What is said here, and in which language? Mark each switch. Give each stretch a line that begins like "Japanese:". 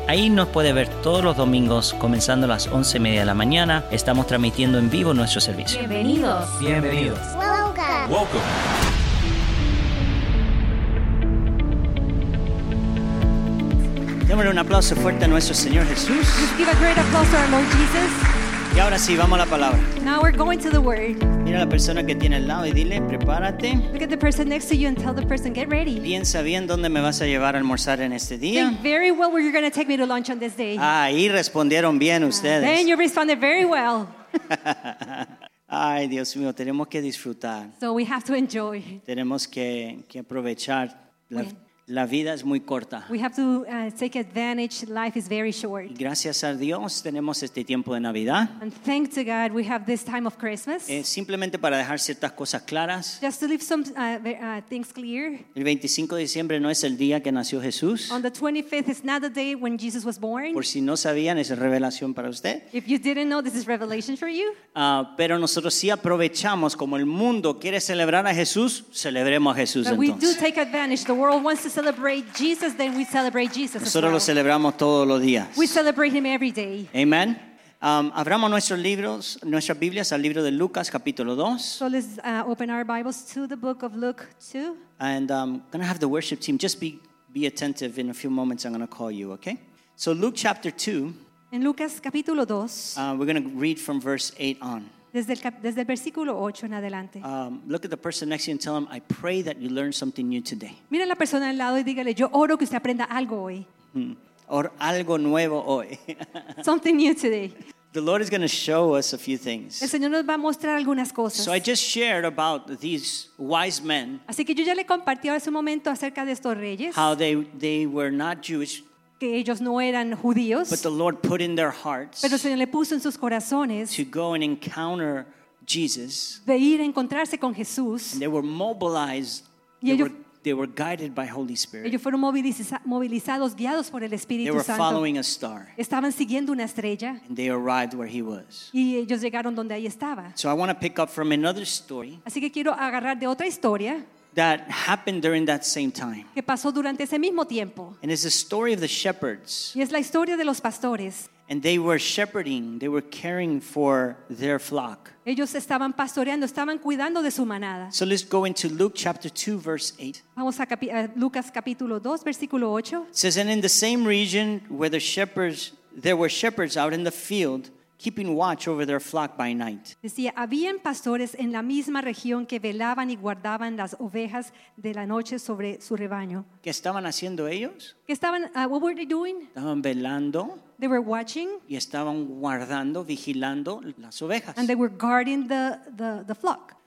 Spanish: Ahí nos puede ver todos los domingos comenzando a las 11:30 de la mañana. Estamos transmitiendo en vivo nuestro servicio. Bienvenidos.
English: Welcome.
Spanish: Démosle un aplauso fuerte a nuestro Señor Jesús.
English: Let's give a great applause to our Lord Jesus.
Spanish: Y ahora sí, vamos a la palabra.
English: Now we're going to the word.
Spanish: Mira a la persona que tiene al lado y dile, prepárate.
English: Look at the person next to you and tell the person, get ready.
Spanish: Piensa bien dónde me vas a llevar a almorzar en este día.
English: Think very well where you're going to take me to lunch on this day.
Spanish: Ahí respondieron bien ustedes.
English: Then you responded very well.
Spanish: Ay, Dios mío, tenemos que disfrutar.
English: So we have to enjoy.
Spanish: Tenemos que aprovechar la vida. La vida es muy corta.
English: We have to take advantage. Life is very short.
Spanish: Gracias a Dios tenemos este tiempo de Navidad.
English: And thank to God we have this time of Christmas.
Spanish: Simplemente para dejar ciertas cosas claras.
English: Just to leave some things clear.
Spanish: El 25 de diciembre no es el día que nació Jesús.
English: On the 25th is not the day when Jesus was born.
Spanish: Por si no sabían, es revelación para usted.
English: If you didn't know, this is revelation for you.
Spanish: Pero nosotros sí aprovechamos, como el mundo quiere celebrar a Jesús, celebremos a Jesús
English: but
Spanish: entonces.
English: But we do take advantage. The world wants to celebrate Jesus, then we celebrate Jesus.
Spanish: Nosotros
English: as well.
Spanish: Lo celebramos todos los días.
English: We celebrate him every day. Amen.
Spanish: Abramos nuestros libros, nuestras Biblias al libro de Lucas, capítulo 2.
English: So let's open our Bibles to the book of Luke 2. And I'm going to have the worship team just be attentive in a few moments. I'm going to call you, okay? So Luke chapter 2.
Spanish: En Lucas capítulo 2.
English: We're going to read from verse 8 on.
Spanish: Desde el versículo 8 en adelante.
English: Look at the person next to you and tell them, I pray that you learn something new today.
Spanish: Mira a la persona al lado y dígale, yo oro que usted aprenda algo hoy. Or algo nuevo hoy.
English: Something new today. The Lord is going to show us a few things.
Spanish: El Señor nos va a mostrar algunas cosas.
English: So I just shared about these wise men.
Spanish: Así que yo ya le compartí hace un momento acerca de estos reyes.
English: How they were not Jewish.
Spanish: Que ellos no eran judíos,
English: but the Lord put in their hearts,
Spanish: pero el Señor le puso en sus corazones,
English: to go and encounter Jesus,
Spanish: de ir a encontrarse con Jesús,
English: and they were mobilized, they were guided by Holy Spirit.
Spanish: Ellos fueron movilizados, guiados por el Espíritu Santo.
English: They were Santo. Following a star.
Spanish: Estaban siguiendo una estrella.
English: And they arrived where he was.
Spanish: Y ellos llegaron donde ahí estaba.
English: So I want to pick up from another story.
Spanish: Así que quiero agarrar de otra historia.
English: That happened during that same time.
Spanish: Que pasó durante ese mismo tiempo.
English: And it's the story of the shepherds.
Spanish: Y es la historia de los pastores.
English: And they were shepherding, they were caring for their flock.
Spanish: Ellos estaban pastoreando, estaban cuidando de su manada.
English: So let's go into Luke chapter 2, verse 8.
Spanish: Vamos a Lucas capítulo 2, versículo 8.
English: It says, and in the same region where the shepherds, there were shepherds out in the field, keeping watch over their flock by night.
Spanish: Decía, habían pastores en la misma región que velaban y guardaban las ovejas de la noche sobre su rebaño. ¿Qué estaban haciendo ellos? ¿Qué estaban,
English: what were they doing?
Spanish: Estaban velando.
English: They were watching.
Spanish: Y estaban guardando, vigilando las ovejas.
English: And they were guarding the flock.